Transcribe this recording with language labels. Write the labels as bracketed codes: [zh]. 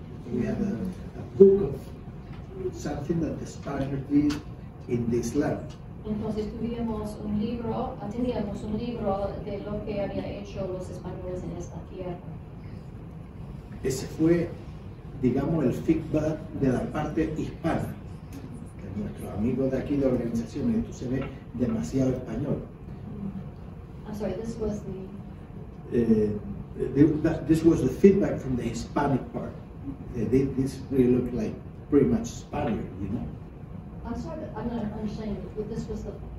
[en] We have a book of something that the Spaniards did in this land. [es] Entonces tuvimos un libro, teníamos un libro de lo que había hecho los españoles en esta tierra. Ese fue, digamos, el feedback de la parte hispana, de nuestros amigos de aquí de organización, y esto se ve demasiado español. [en] I'm sorry, this was the... This was the feedback from the Hispanic part. This really looked like pretty much Spaniard, you know? I'm sorry, but I'm not understanding, but this was the...